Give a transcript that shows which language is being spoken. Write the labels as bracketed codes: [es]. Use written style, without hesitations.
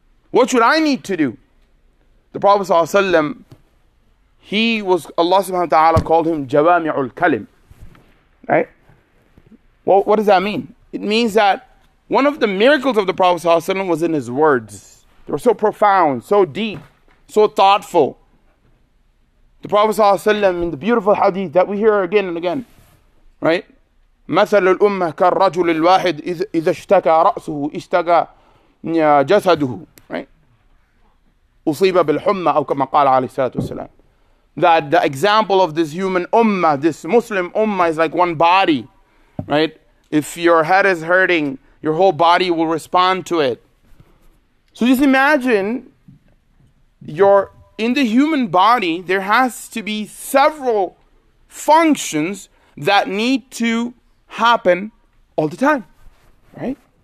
[en] What should I need to do? The Prophet ﷺ, he was, Allah subhanahu wa ta'ala called him Jawami'ul Kalim. Right? Well, what does that mean? It means that one of the miracles of the Prophet ﷺ was in his words. They were so profound, so deep, so thoughtful. The Prophet ﷺ, in the beautiful hadith that we hear again and again, right? [ar] مثل الأمة كالرجل الواحد إذا اشتكى رأسه اشتكى جسده أصيب بالحمى أو كما قال عليه الصلاة والسلام. [en] That the example of this human ummah, this Muslim ummah, is like one body, right? If your head is hurting, your whole body will respond to it. So just imagine, you're in the human body, there has to be several functions that need to happen all the time, right?